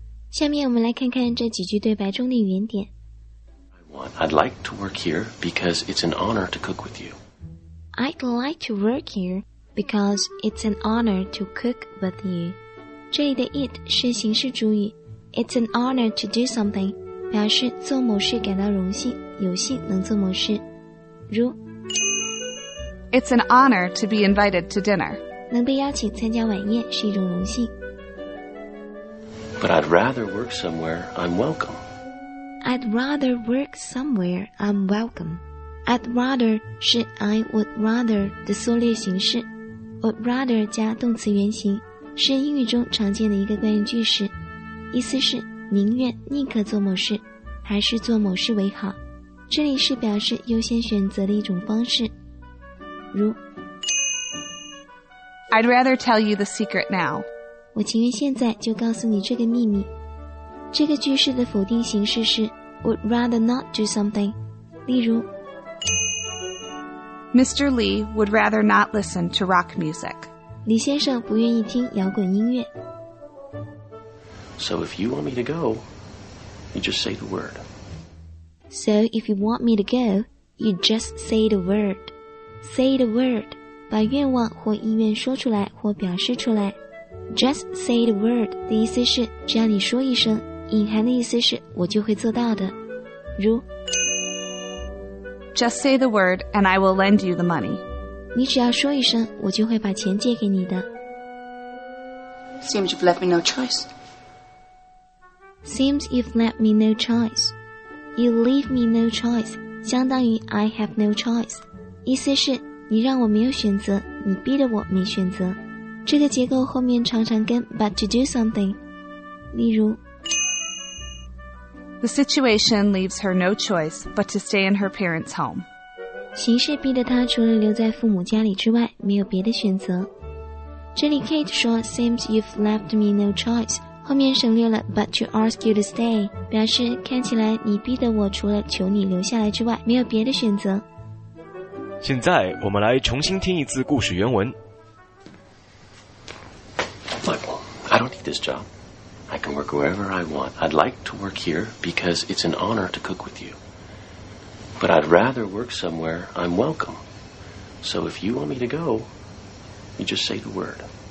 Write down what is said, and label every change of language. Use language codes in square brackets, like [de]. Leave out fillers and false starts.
[zh] 下面我们来看看这几句对白中的原点。 [en] I'd like to work here because it's an honor to cook with you. I'd like to work here because it's an honor to cook with you. [zh] 这里的 it 是形式主语， [en] it's an honor to do something, [zh] 表示做某事感到荣幸，有幸能做某事。如 [en] It's an honor to be invited to dinner. [zh] 能被邀请参加晚宴是一种荣幸。 [en] But I'd rather work somewhere I'm welcome. I'd rather work somewhere I'm welcome. I'd rather [zh] 是 I would rather 的缩略形式。 Would rather 加动词原形是英语中常见的一个惯用句式，意思是宁愿宁可做某事，还是做某事为好。这里是表示优先选择的一种方式。如 [en] I'd rather tell you the secret now. [zh] 我情愿现在就告诉你这个秘密。这个句式的否定形式是 [en] Would rather not do something. [zh] 例如 [en] Mr. Lee would rather not listen to rock music. [zh] 李先生不愿意听摇滚音乐。 [en] So if you want me to go, you just say the word. So if you want me to go, you just say the word. Say the word, [zh] 把愿望或意愿说出来或表示出来。 [en] Just say the word [zh] 的意思是只要你说一声，隐含的意思是我就会做到的。如 [en] Just say the word and I will lend you the money. [zh] 你只要说一声，我就会把钱借给你的。 [en] Seems you've left me no choice. Seems you've left me no choice. You leave me no choice. [zh] 相当于 [en] I have no choice. [zh] 意思是你让我没有选择，你逼得我没选择。这个结构后面常常跟 [en] but to do something. [zh] 例如 [en] The situation leaves her no choice but to stay in her parents' home. [zh] 形势逼得她除了留在父母家里之外，没有别的选择。这里 Kate 说 [en] Seems you've left me no choice. [zh] 后面省略了 [en] but to ask you to stay [zh] 表示看起来你逼得我除了求你留下来之外没有别的选择现在我们来重新听一次故事原文 [en] Michael, I don't need this job I can work wherever I want I'd like to work here because it's an honor to cook with you But I'd rather work somewhere I'm welcome So if you want me to go you just say the word